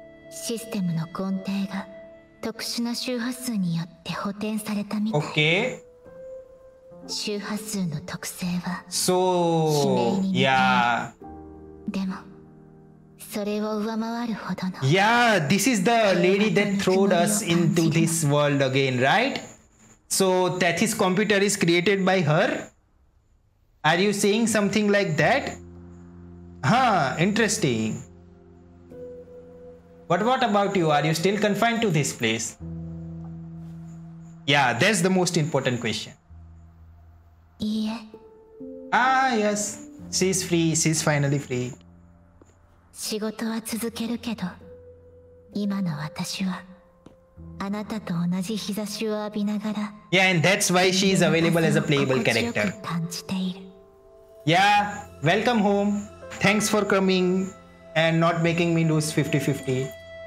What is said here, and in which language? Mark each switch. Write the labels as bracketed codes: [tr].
[ja] システムの根底が特殊な周波数によって補填されたみたい。 [en] Okay. [ja] 周波数の特性は致命に似ているでもそれを上回るほどの。 [en] Yeah, this is the lady that throwed us into this world again, right? So Tethys computer is created by her? Are you saying something like that? Huh, interesting. But what about you? Are you still confined to this place? Yeah, that's the most important question. [ja] Ie. [en] Ah, yes. She's free. She's finally free. [ja] 仕事は続けるけど、今の私はあなたと同じ日差しを浴びながら。 [en] Yeah, and that's why she's available as a playable character. [ja] 感じている。 [en] Yeah, welcome home. Thanks for coming and not making me lose 50-50.